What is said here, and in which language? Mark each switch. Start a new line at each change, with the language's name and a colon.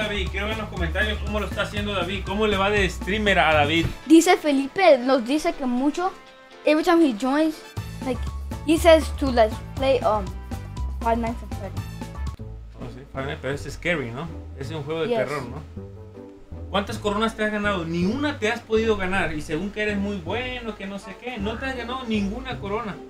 Spanish: Quiero ver en los comentarios cómo lo está haciendo David. ¿Cómo le va de streamer a David? Dice Felipe, nos dice que mucho.
English: every time he joins, like, he says to let's play Five Nights at Freddy's.
Spanish: Oh, sí, Five Nights, pero es scary, ¿no? Es un juego de terror, ¿no? ¿Cuántas coronas te has ganado? Ni una te has podido ganar. Y según que eres muy bueno, que no sé qué, no te has ganado ninguna corona.